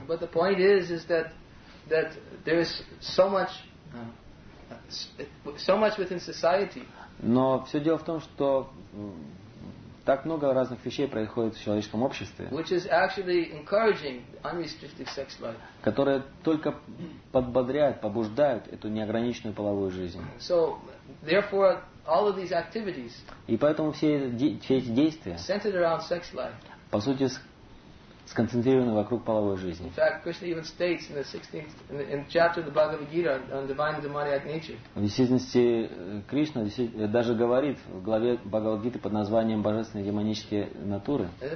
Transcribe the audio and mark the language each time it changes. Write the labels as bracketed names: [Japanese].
[English] But the point is that there is so much within society. [Russian] Но все дело в том, что так много разных вещей происходит в человеческом обществе, [English] which is actually encouraging unrestricted sex life, [Russian] которые только подбодряют, побуждают эту неограниченную половую жизнь. [English] So, therefore, all of these activities, [Russian] и поэтому все эти действия [English] centered around sex life, [Russian] по сути сконцентрированы вокруг половой жизни. [English] In fact, Krishna even states in the 16th in chapter of the Bhagavad Gita on divine and demoniac nature. [Russian] В действительности Кришна даже говорит в главе Бхагавад Гиты под названием Божественные демонические натуры.